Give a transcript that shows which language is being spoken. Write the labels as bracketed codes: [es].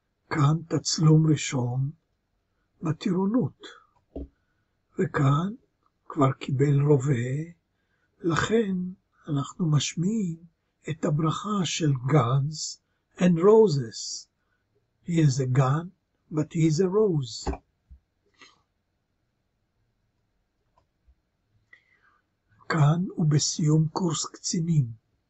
[he] כאן תצלום ראשון בטירונות. וכאן כבר קיבל רובה, לכן אנחנו משמיעים את הברכה של Guns and Roses. [en] He is a gun, but he is a rose. [he] כאן הוא בסיום קורס קצינים.